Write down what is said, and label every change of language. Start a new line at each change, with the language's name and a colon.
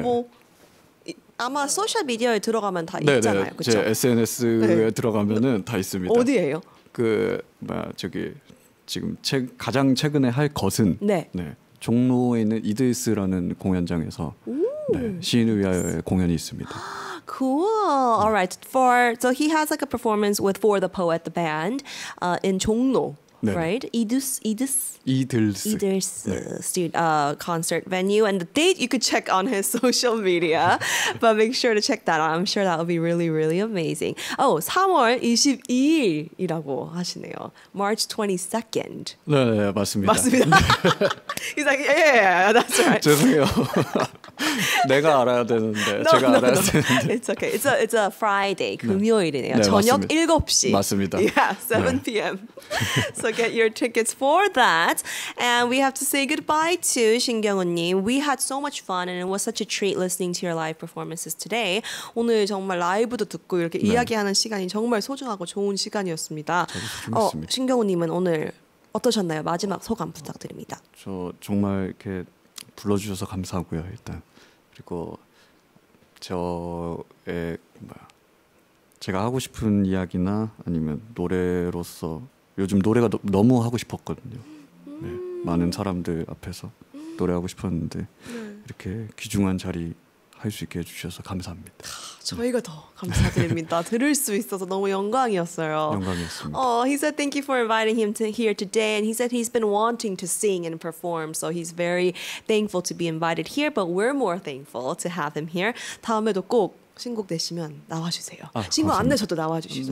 Korean: 뭐 아마 소셜 미디어에 들어가면 다 네네. 있잖아요. 그렇죠? 제 SNS에 네. 들어가면은 다 있습니다. 어디예요? 그 뭐 저기 지금 가장 최근에 할 것은 네. 네. 종로에 있는 이들스라는 공연장에서 네. 시인을 위하여의 공연이 있습니다.
English: Cool. All right. So he has like a performance with For the Poet, the band, in 종로,
Korean: 네.
English: right?
Korean: 이들스 네.
English: Concert venue. And the date you could check on his social media. But make sure to check that out. I'm sure that will be really, really amazing.
Korean: Oh, 3월 22일이라고 하시네요.
English: March 22nd.
Korean: 네, 네 맞습니다. 맞습니다.
English: He's like, yeah, yeah, yeah, that's right.
Korean: 죄송해요. 내가 알아야 되는데
English: no,
Korean: 제가
English: no,
Korean: 알아야
English: no, no.
Korean: 되는데
English: It's okay. It's a Friday.
Korean: 금요일이네요. 네, 저녁 맞습니다. 7시. 맞습니다.
English: Yeah, 7
Korean: 네.
English: p.m. So get your tickets for that. And we have to say goodbye to 신경우님. We had so much fun and it was such a treat listening to your live performances today.
Korean: 오늘 정말 라이브도 듣고 이렇게 네. 이야기하는 시간이 정말 소중하고 좋은 시간이었습니다. 신경우님은 오늘 어떠셨나요? 마지막 소감 부탁드립니다. 저 정말 이렇게 불러주셔서 감사하고요. 일단 그리고 저의 제가 하고 싶은 이야기나 아니면 노래로서 요즘 노래가 너무 하고 싶었거든요. 네, 많은 사람들 앞에서 노래하고 싶었는데 네. 이렇게 귀중한 자리 할 수 있게 해주셔서 감사합니다. 저희가 더 감사드립니다. 들을 수 있어서 너무 영광이었어요. 영광이었습니다.
English: Oh, he said thank you for inviting him to here today, and he said he's been wanting to sing and perform, so he's very thankful to be invited here. But we're more thankful to have him here.
Korean: 다음에도 꼭 신곡 내시면 나와주세요. 아, 신곡 감사합니다. 안 내셔도 나와주시죠.